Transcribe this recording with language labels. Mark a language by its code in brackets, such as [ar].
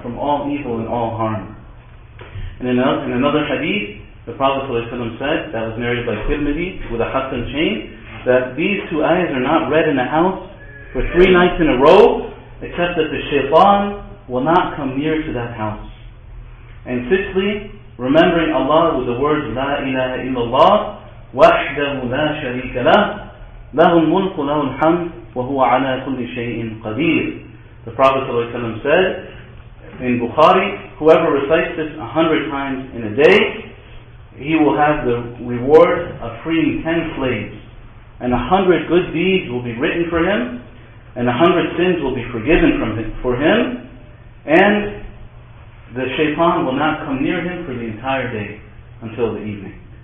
[en] From all evil and all harm. And in another hadith, the Prophet ﷺ said, that was narrated by Tirmidhi with a Hassan chain, that these two ayahs are not read in the house for three nights in a row, except that the shaitan will not come near to that house. And sixthly, remembering Allah with the words [ar] La ilaha illallah, وَحْدَهُ لَا شَرِيكَ لَهُ لَهُ الْمُلْكُ لَهُ الْحَمْدُ وَهُوَ عَلَى كُلِّ شَيْءٍ قَدِيرٌ. [en] The Prophet ﷺ said in Bukhari, whoever recites this 100 times in a day, he will have the reward of freeing 10 slaves. And 100 good deeds will be written for him, and 100 sins will be forgiven for him, and the shaitan will not come near him for the entire day until the evening.